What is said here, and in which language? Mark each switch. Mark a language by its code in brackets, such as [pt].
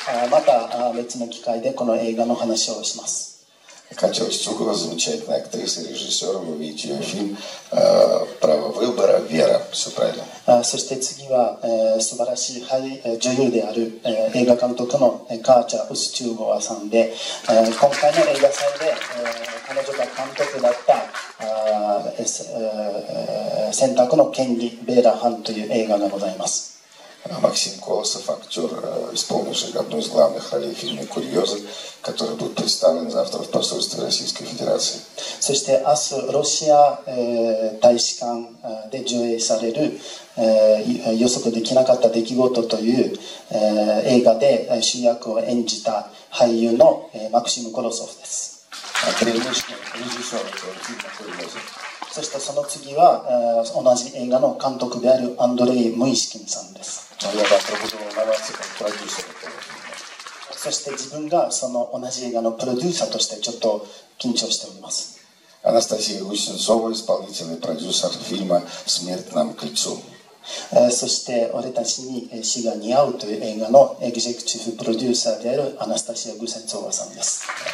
[ja] また別の機会でこの映画の話をします。 [ru] Катя Устюгова, замечательная актриса, режиссер, вы видите ее фильм «Право выбора», «Вера», все правильно. [ja] そして次は素晴らしい俳優、女優である映画監督のカーチャ・ウスチューゴワさんで、今回の映画祭で彼女が監督だった選択の権利、ベーラ・ハンという映画がございます。 [ru] Максим Колосов, актер, исполнивший одну из главных ролей в фильме «Курьезы», который будет представлен завтра в посольстве Российской Федерации. [ja] そして明日ロシア大使館で上映される予測できなかった出来事という映画で主役を演じた俳優のマクシム・コロソフです。 [ru] Режиссер, который фильм «Курьезы», [ja] そしてその次は同じ映画の監督であるアンドレイ・ムイシキンさんです。ありがとうございます。プロデューサーです。そして自分がその同じ映画のプロデューサーとしてちょっと緊張しております。アナスタシア・ウシュンソーヴ、 [ru] исполнительный продюсер фильма «Смерть нам к лицу». [ja] そして俺たちに死が似合うという映画のエグゼクティブプロデューサーであるアナスタシア・グセンソーヴァさんです。